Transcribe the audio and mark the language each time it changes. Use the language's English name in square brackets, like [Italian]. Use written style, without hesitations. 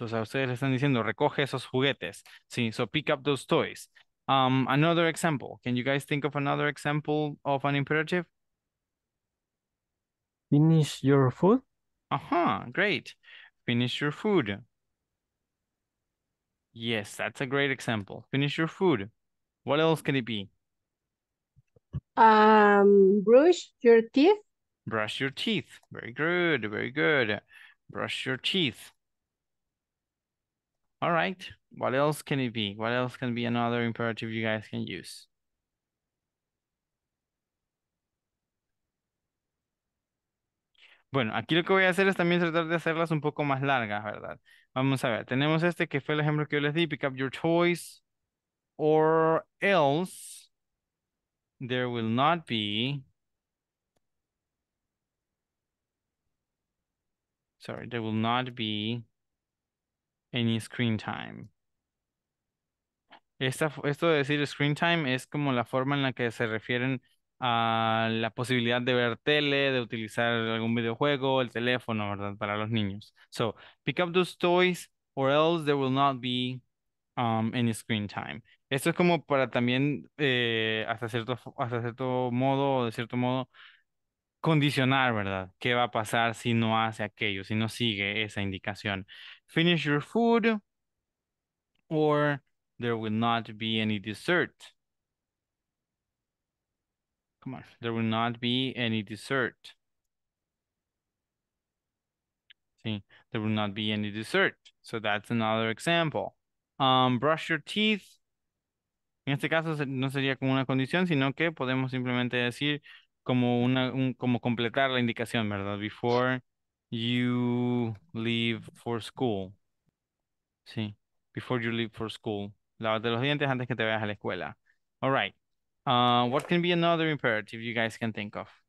[Spanish] O sea, ustedes le están diciendo, recoge esos juguetes. [English] Sí, so pick up those toys. Another example. Can you guys think of another example of an imperative? Finish your food. Uh-huh, great. Finish your food. Yes, that's a great example. Finish your food. What else can it be? Brush your teeth. Brush your teeth. Very good, very good. Brush your teeth. All right. What else can it be? What else can be another imperative you guys can use? [Spanish] Bueno, aquí lo que voy a hacer es también tratar de hacerlas un poco más largas, ¿verdad? Vamos a ver. Tenemos este que fue el ejemplo que yo les di. [English] Pick up your toys or else there will not be... Sorry, there will not be any screen time. [Spanish] Esto de decir screen time es como la forma en la que se refieren a la posibilidad de ver tele, de utilizar algún videojuego, el teléfono, ¿verdad? Para los niños. [English] So, pick up those toys or else there will not be any screen time. [Spanish] Esto es como para también, hasta cierto modo, condicionar, ¿verdad? ¿Qué va a pasar si no hace aquello, si no sigue esa indicación? [English] Finish your food or there will not be any dessert. Come on. There will not be any dessert. Sí. There will not be any dessert. So that's another example. Brush your teeth. [Spanish] En este caso no sería como una condición, sino que podemos simplemente decir como completar la indicación, ¿verdad? [English] Before you leave for school. Sí. Before you leave for school. [Spanish] Lávate los dientes antes que te vayas a la escuela. [English] All right. What can be another imperative you guys can think of?